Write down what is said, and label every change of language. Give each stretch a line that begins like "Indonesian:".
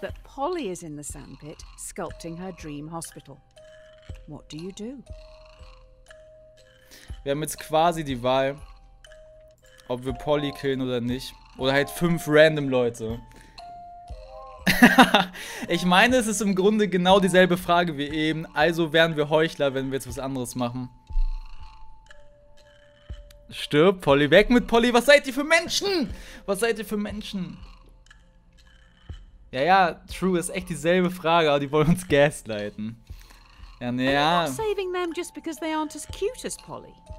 English: that Polly is in the sand pit, sculpting her dream hospital. What do you do?
German: Wir haben jetzt quasi die Wahl, ob wir Polly killen oder nicht. Oder halt fünf random Leute. Ich meine, es ist im Grunde genau dieselbe Frage wie eben. Also wären wir Heuchler, wenn wir jetzt was anderes machen. Stirb, Polly, weg mit Polly. Was seid ihr für Menschen? Was seid ihr für Menschen? Ja, True, ist echt dieselbe Frage, aber die wollen uns gaslighten. Ja, naja.
English: Saving them just because they aren't as cute as Polly.